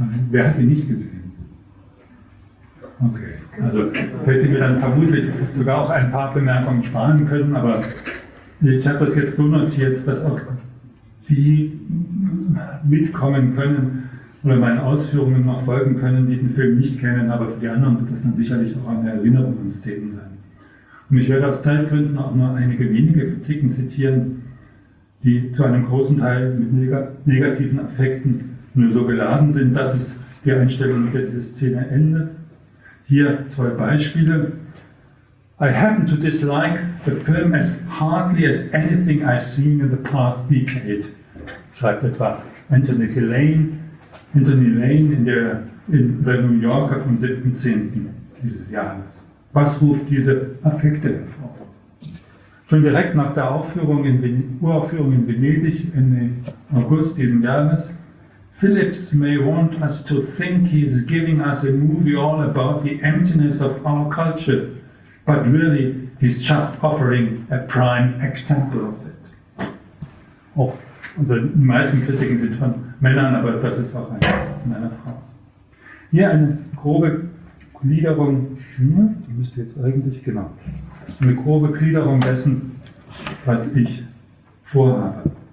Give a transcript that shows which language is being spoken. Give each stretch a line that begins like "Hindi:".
German: Wer hat ihn nicht gesehen? Okay, also hätte mir dann vermutlich sogar auch ein paar Bemerkungen sparen können, aber ich habe das jetzt so notiert, dass auch die mitkommen können oder meinen Ausführungen noch folgen können, die den Film nicht kennen, aber für die anderen wird das dann sicherlich auch eine Erinnerung an Szenen sein. Und ich werde aus Zeitgründen auch nur einige wenige Kritiken zitieren, die zu einem großen Teil mit negativen Affekten nur so geladen sind, dass es die Einstellung, mit der diese Szene endet. Hier zwei Beispiele.
English: I happen to dislike the film as hardly as anything I've seen in the past decade,
German: schreibt etwa Anthony Lane in The New Yorker vom 7.10. dieses Jahres. Was ruft diese Affekte hervor? Schon direkt nach der Uraufführung in Venedig Ende August diesen Jahres:
English: Phillips may want us to think he is giving us a movie all about the emptiness of our culture, but really he's just offering a prime example of it.
German: Auch, also die meisten Kritiken sind von Männern, aber das ist auch ein von einer Frau. Hier eine grobe Gliederung, die müsste jetzt eigentlich, genau, eine grobe Gliederung dessen, was ich vorhabe.